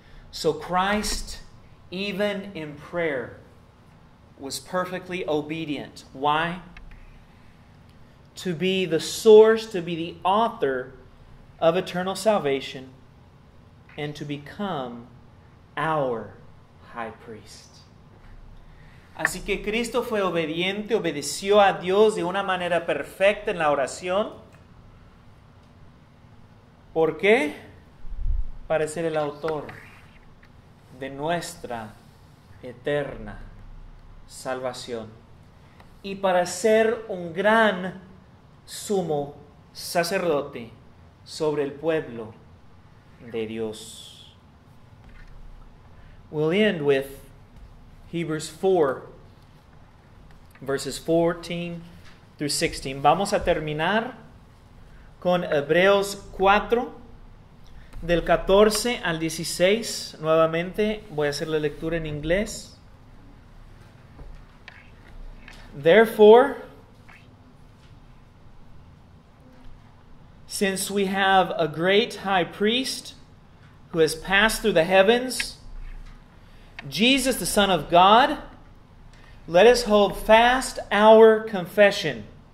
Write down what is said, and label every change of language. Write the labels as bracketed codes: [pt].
[en] So Christ, even in prayer, was perfectly obedient. Why? To be the source, to be the author of eternal salvation, and to become our high priest. [es] Así que Cristo fue obediente, obedeció a Dios de una manera perfecta en la oración. ¿Por qué? Para ser el autor de nuestra eterna salvación. Y para ser un gran sumo sacerdote sobre el pueblo de Dios. [en] We'll end with Hebrews 4, verses 14 through 16. [es] Vamos a terminar con Hebreos 4, del 14 al 16. Nuevamente, voy a hacer la lectura en inglés. [en] Therefore, since we have a great high priest who has passed through the heavens, Jesus, the Son of God, let us hold fast our confession.